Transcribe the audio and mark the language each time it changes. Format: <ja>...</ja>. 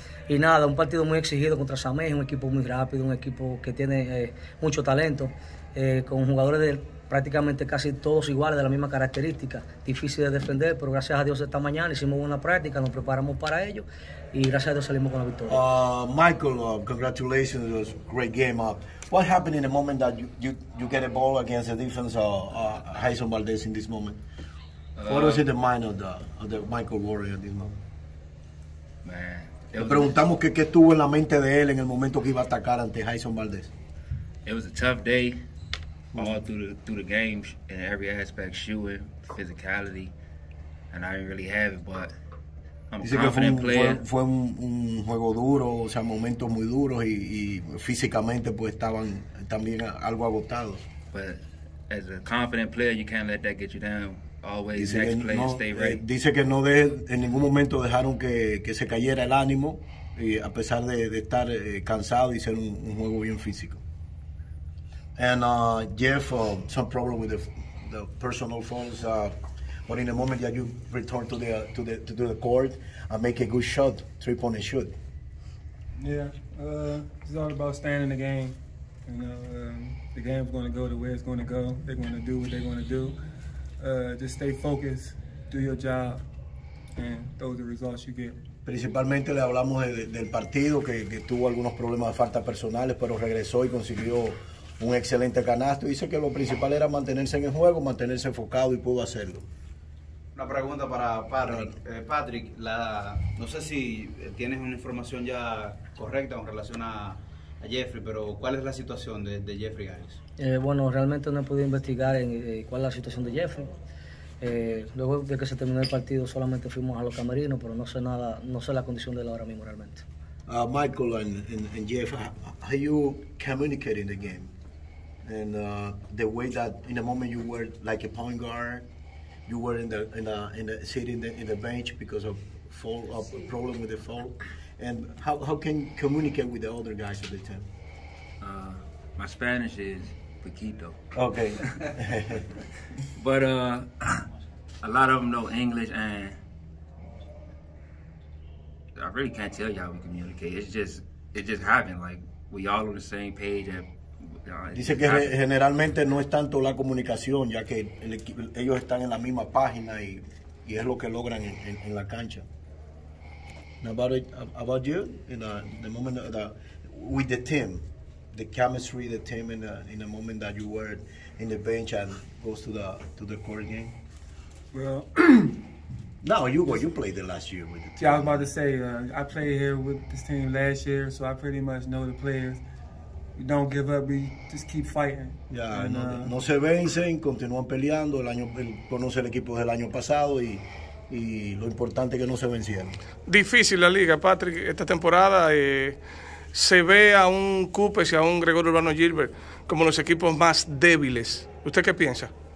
<es>Y nada, un partido muy exigido contra Samé, un equipo muy rápido, un equipo que tiene mucho talento, con jugadores de prácticamente casi todos iguales, de la misma característica, difícil de defender, pero gracias a Dios esta mañana hicimos una práctica, nos preparamos para ello y gracias a Dios salimos con la victoria.</es> <en>Michael, congratulations. It was a great game. What happened in the moment that you get a ball against the defense of Jason Valdez in this moment? What was in the mind of the Michael Warrior at this moment? Man,</en> <es>Le preguntamos qué estuvo en la mente de él en el momento que iba a atacar ante Jason Valdez.</es> <en>it was a tough day all through the games in every aspect, shooting, physicality, and I didn't really have it, but I'm a</en> <es>Dice que</es> <en>confident player.</en> <es>fue un juego duro, o sea, momentos muy duros y físicamente pues estaban también algo agotados.</es> <en>But as a confident player, you can't let that get you down. Always</en> <es>Dice que</es> <en>next play and</en> <es>no,</es> <en>stay ready.</en> <es>dice que no de, en ningún momento dejaron que se cayera el ánimo y a pesar de estar cansado y ser un juego bien físico.</es> <en>And Jeff, some problem with the personal fouls. But in the moment that you return to the court and make a good shot, 3-point shoot. Yeah, it's all about staying in the game. You know, the game's going to go the way it's going to go. They're going to do what they're going to do. Just stay focused, do your job, and those are the results you get.</en> <es>Principalmente le hablamos del partido que tuvo algunos problemas de faltas personales, pero regresó y consiguió un excelente canasto. Dice que lo principal era mantenerse en el juego, mantenerse enfocado y pudo hacerlo. Una pregunta para Patrick. Patrick, no sé si tienes una información ya correcta con relación a Jeffrey, pero ¿cuál es la situación de Jeffrey Giles? Bueno, realmente no he podido investigar en cuál es la situación de Jeffrey. Luego de que se terminó el partido, solamente fuimos a los camerinos, pero no sé nada, no sé la condición de él ahora mismo realmente.</es> <en>Michael and Jeff, how you communicate in the game? And the way that in the moment you were like a point guard, you were in the sitting in the bench because of fall of a problem with the fall. And how can you communicate with the other guys of the team? My Spanish is poquito. Okay. But a lot of them know English, and I really can't tell you how we communicate. It just happened. Like, we all on the same page. And,</en> <es>Dice que generalmente no es tanto la comunicación, ya que ellos están en la misma página y es lo que logran en la cancha.</es> <en>About you, the moment that with the team, the chemistry, the team in the moment that you were in the bench and goes to the court game. Well, no, you played the last year with the team. Yeah, I was about to say I played here with this team last year, so I pretty much know the players. We don't give up, we just keep fighting.</en> <es>Ya, no se vencen, continúan peleando. Conoce el equipo del año pasado y lo importante es que no se vencieron. Difícil la liga, Patrick, esta temporada. Se ve a un Cupes y a un Gregorio Urbano Gilbert como los equipos más débiles. ¿Usted qué piensa?</es>